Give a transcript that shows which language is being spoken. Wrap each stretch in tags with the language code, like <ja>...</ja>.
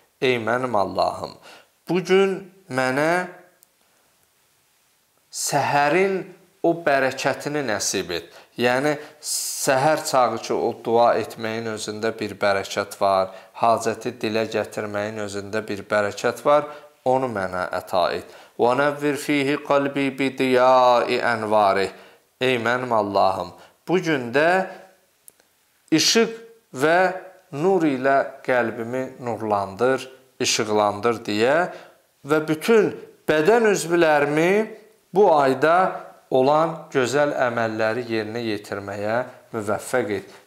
<az>Ey mənim Allahım, bugün mənə səhərin o bərəkətini nəsib et. Yəni, səhər çağı ki, o dua etməyin özündə bir bərəkət var, hacəti dilə gətirməyin özündə bir bərəkət var, onu mənə əta et.</az> <ar>وَنَوِّرْ ف۪يهِ قَلْب۪ي بِدِيَاءِ اَنْوَارِهِ</ar> <az>Ey mənim Allahım, Bu gündə işıq və nur ilə qəlbimi nurlandır, işıqlandır deyə və bütün bədən üzvlərimi bu ayda olan gözəl əməlləri yerinə yetirməyə müvəffəq et.</az>